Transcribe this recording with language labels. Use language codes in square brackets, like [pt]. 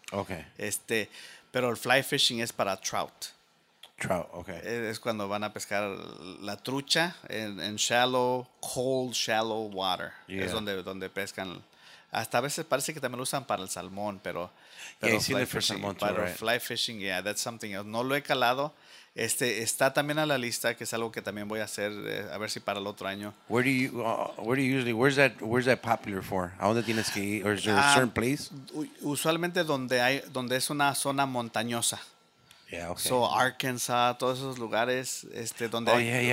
[en] Okay. [es] Pero el fly fishing es para trout. [en] Trout, okay. [es] Es cuando van a pescar la trucha en [en] shallow, cold, shallow water. Yeah. [es] Es donde pescan Hasta a veces parece que también lo usan para el salmón, pero [en] yeah, fly fishing, salmón too, right? Fly fishing, yeah, that's something else. [es] No lo he calado. Está también a la lista, que es algo que también voy a hacer, a ver si para el otro año. [en] Where's that popular for? [es] ¿A dónde tienes que ir? [en] Or is there a certain place? [es] Usualmente donde es una zona montañosa. [en] Yeah, okay. [es] So Arkansas, todos esos lugares, donde